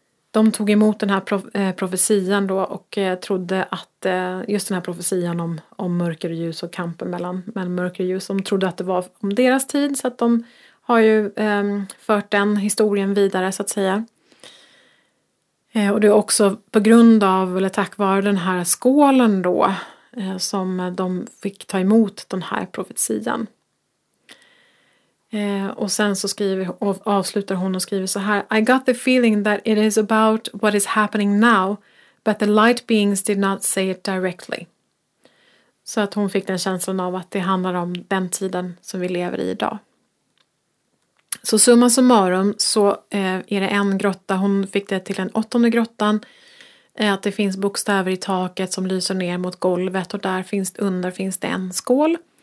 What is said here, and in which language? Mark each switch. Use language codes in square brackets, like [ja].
[sv] De tog emot den här profetian då och trodde att just den här profetian om mörker och ljus och kampen mellan mörker och ljus. De trodde att det var om deras tid, så att de har ju fört den historien vidare så att säga. Och det är också på grund av eller tack vare den här skålen då som de fick ta emot den här profetian. Och sen så avslutar hon och skriver så här: [en] I got the feeling that it is about what is happening now, but the light beings did not say it directly. [sv] Så att hon fick den känslan av att det handlar om den tiden som vi lever i idag. Så summa summarum så är det en grotta, hon fick det till den 8:e grottan. Att det finns bokstäver i taket som lyser ner mot golvet och där finns det en skål.